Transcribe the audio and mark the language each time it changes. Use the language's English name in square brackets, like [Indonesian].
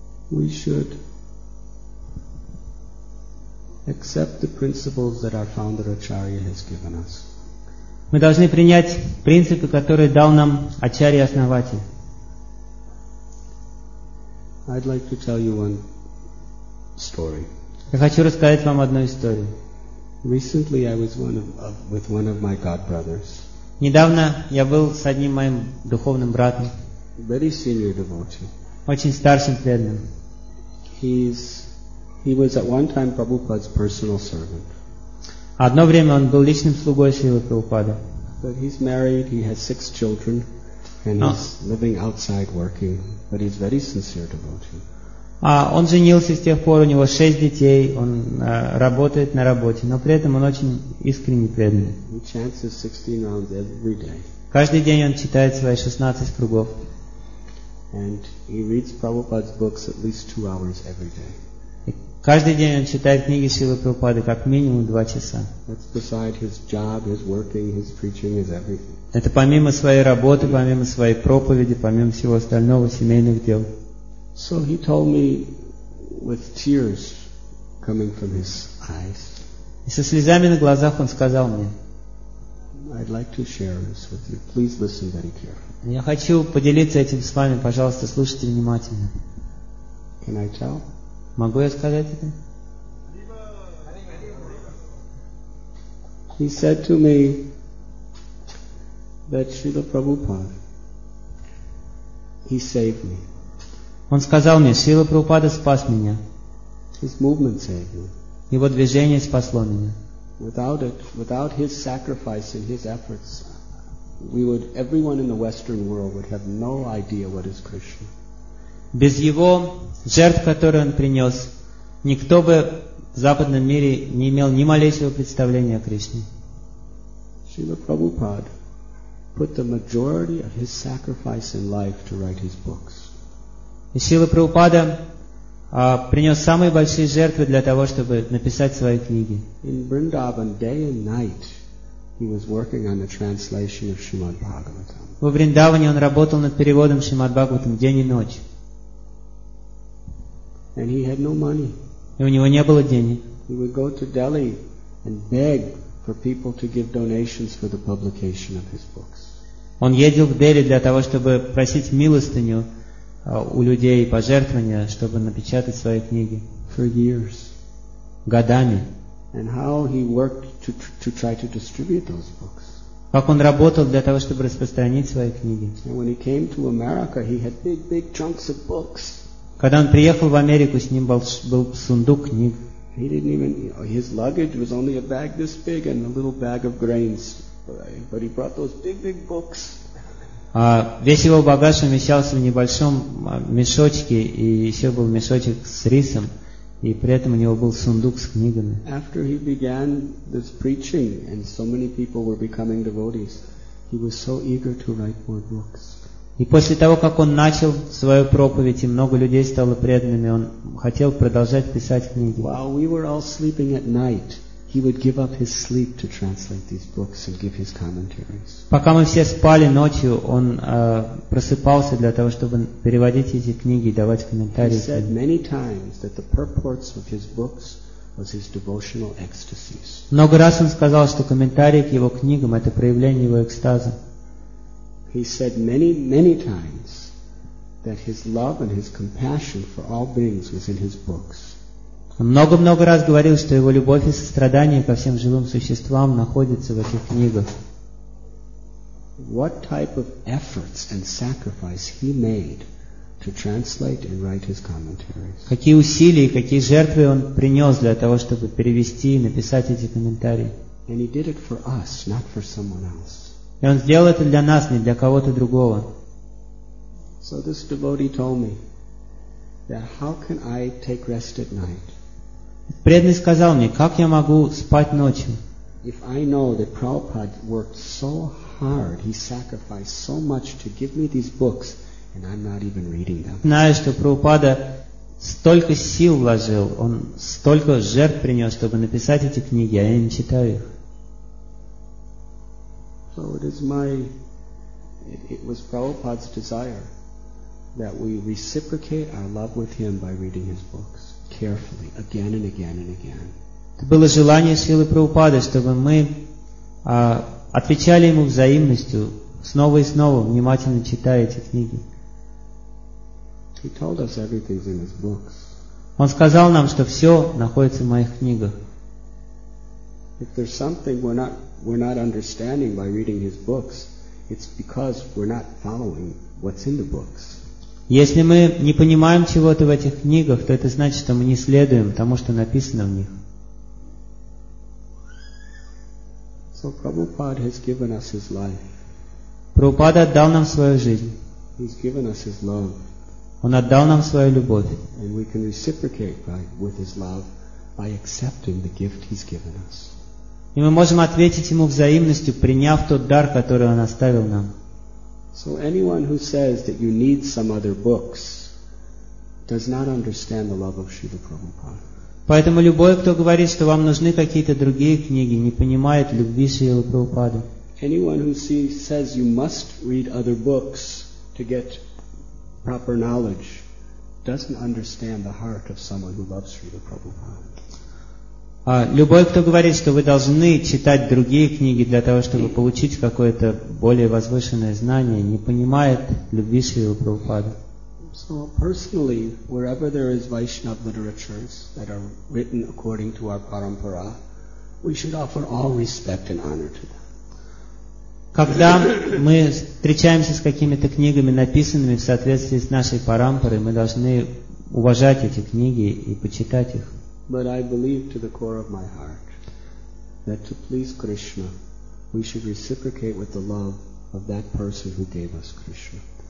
[English] We should accept the principles that our founder Acharya has given us. [Russian] Мы должны принять принципы, которые дал нам Ачарья-основатель. [English] I'd like to tell you one story. [Russian] Я хочу рассказать вам одну историю. [English] Recently I was with one of my god brothers. [Russian] Недавно я был с одним моим духовным братом. [English] Very senior devotee. [Russian] Очень старшим преданным. [English] He was at one time Prabhupada's personal servant. [Russian] Одно время он был личным слугой Шрилы Прабхупады. [English] But he's married, he has six children, and he's living outside working, but he's very sincere devotee. [Russian] Он женился, с тех пор у него шесть детей, он работает на работе, но при этом он очень искренне преданный. [English] He chants his 16 rounds every day. [Russian] Каждый день он читает свои 16 кругов. [English] And he reads Prabhupada's books at least 2 hours every day. [Russian] Каждый день он читает книги Шрилы Прабхупады как минимум 2 часа. [English] That's beside his job, his working, his preaching, his everything. [Russian] Это помимо своей работы, помимо своей проповеди, помимо всего остального, семейных дел. [English] So he told me with tears coming from his eyes. [Russian] И со слезами на глазах он сказал мне. [English] I'd like to share this with you. Please listen very carefully. [Russian] Я хочу поделиться этим с вами, пожалуйста, слушайте внимательно. [English] Can I tell? [Russian] Могу я сказать это? [English] He said to me that Srila Prabhupada, he saved me. [Russian] Он сказал мне, Шрила Прабхупада спас меня. [English] His movement saved me. [Russian] Его движение спасло меня. [English] Without it, without his sacrifice and his efforts, we would, everyone in the Western world would have no idea what is Krishna. [Russian] Без его жертв, которые он принес, никто бы в западном мире не имел ни малейшего представления о Кришне. [English] Шрила Прабхупада put the majority of his sacrifice in life to write his books. [Russian] И Шрила Прабхупада принес самые большие жертвы для того, чтобы написать свои книги. [English] In Vrindavan, day and night, he was working on the translation of Shrimad Bhagavatam. [Russian] Во Вриндаване он работал над переводом Шримад Бхагаватам день и ночь. [English] And he had no money. [Russian] И у него не было денег. [English] He would go to Delhi and beg for people to give donations for the publication of his books. [Russian] Он ездил в Дели для того, чтобы просить милостыню у людей пожертвования, чтобы напечатать свои книги. [English] For years. [Russian] Годами. [English] And how he worked to try to distribute those books. [Russian] Как он работал для того, чтобы распространить свои книги. [English] And when he came to America, he had big, big chunks of books. [Russian] Когда он приехал в Америку, с ним был сундук книг. [English] He didn't even, his luggage was only a bag this big and a little bag of grains. But he brought those big, big books. [Russian] Весь его багаж умещался в небольшом мешочке, и еще был мешочек с рисом, и при этом у него был сундук с книгами. [English] After he began this preaching and so many people were becoming devotees, he was so eager to write more books. [Russian] И после того, как он начал свою проповедь, и много людей стало преданными, он хотел продолжать писать книги. [English] While we were all sleeping at night, he would give up his sleep to translate these books and give his commentaries. [Russian] Пока мы все спали ночью, он просыпался для того, чтобы переводить эти книги и давать комментарии. [English] He said many times that the purport of his books was his devotional ecstasies. [Russian] Много раз он сказал, что комментарии к его книгам — это проявление его экстаза. [English] He said many, many times that his love and his compassion for all beings was in his books. [Russian] Много-много раз говорил, что его любовь и сострадание ко всем живым существам находится в этих книгах. [English] What type of efforts and sacrifice he made to translate and write his commentaries? [Russian] Какие усилия, какие жертвы он принес для того, чтобы перевести и написать эти комментарии? [English] And he did it for us, not for someone else. [Russian] И он сделал это для нас, не для кого-то другого. [English] So this devotee told me that how can I take rest at night? [Russian] Преданный сказал мне, как я могу спать ночью? [English] If I know that Prabhupada worked so hard, he sacrificed so much to give me these books, and I'm not even reading them. [Russian] Знаю, что Прабхупада столько сил вложил, он столько жертв принес, чтобы написать эти книги, а я не читаю их. [English] So it was Prabhupada's desire that we reciprocate our love with him by reading his books carefully, again and again and again. [Russian] Это было желание Шрилы Прабхупады, чтобы мы отвечали ему взаимностью, снова и снова внимательно читая эти книги. [English] He told us everything's in his books. [Russian] Он сказал нам, что все находится в моих книгах. [English] If there's something we're not understanding by reading his books, it's because we're not following what's in the books. [Russian] Если мы не понимаем чего-то в этих книгах, то это значит, что мы не следуем тому, что написано в них. [English] So Prabhupada has given us his life. [Russian] Прабхупада отдал нам свою жизнь. [English] He's given us his love. [Russian] Он отдал нам свою любовь. [English] And we can reciprocate with his love by accepting the gift he's given us. [Russian] И мы можем ответить ему взаимностью, приняв тот дар, который он оставил нам. [English] So anyone who says that you need some other books does not understand the love of Śrīla Prabhupāda. [Russian] Поэтому любой, кто говорит, что вам нужны какие-то другие книги, не понимает любви Śrīla Prabhupāda. [English] Anyone who says you must read other books to get proper knowledge doesn't understand the heart of someone who loves Śrīla Prabhupāda. [Russian] Любой, кто говорит, что вы должны читать другие книги для того, чтобы получить какое-то более возвышенное знание, не понимает любви Шрилы Прабхупады. [English] So personally, wherever there is Vaishnava literatures that are written according to our parampara, we should offer all respect and honor to them. [Russian] Когда мы встречаемся с какими-то книгами, написанными в соответствии с нашей парампарой, мы должны уважать эти книги и почитать их. [English] But I believe to the core of my heart that to please Krishna, we should reciprocate with the love of that person who gave us Krishna.